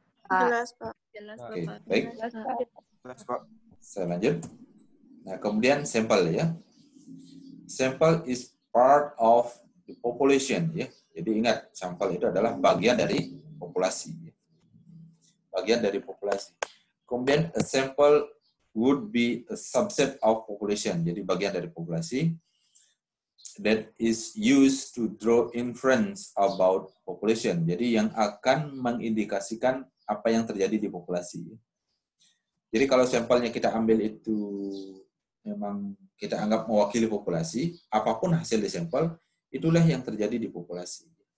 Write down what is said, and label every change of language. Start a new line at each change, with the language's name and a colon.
Indonesian: Jelas Pak. Oke, baik. Jelas Pak. Saya lanjut. Nah, kemudian sampel ya.
English: Sample is part of the population
Indonesian: ya. Jadi ingat, sampel itu adalah bagian dari populasi. Bagian dari populasi.
English: Kemudian a sample would be a subset of population.
Indonesian: Jadi bagian dari populasi.
English: That is used to draw inference about population.
Indonesian: Jadi yang akan mengindikasikan apa yang terjadi di populasi. Jadi kalau sampelnya kita ambil itu memang kita anggap mewakili populasi, apapun hasil di sampel, itulah yang terjadi di populasi.